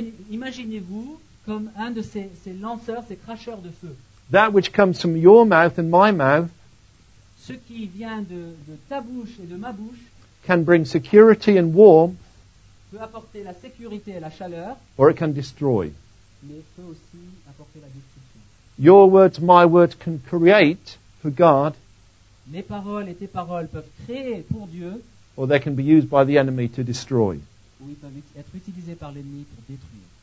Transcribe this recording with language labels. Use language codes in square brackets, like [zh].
[fr] Imaginez-vous comme un de ces lanceurs, ces cracheurs de feu. [en] That which comes from your mouth and my mouth, [fr] ce qui vient de ta bouche et de ma bouche, [en] can bring security and warmth, [fr] peut apporter la sécurité et la chaleur, [en] or it can destroy. [fr] Mais peut aussi apporter la destruction. [en] Your words, my words can create for God. [fr] Mes paroles et tes paroles peuvent créer pour Dieu. [en] Or they can be used by the enemy to destroy. [fr] Ou ils peuvent être utilisés par l'ennemi pour détruire.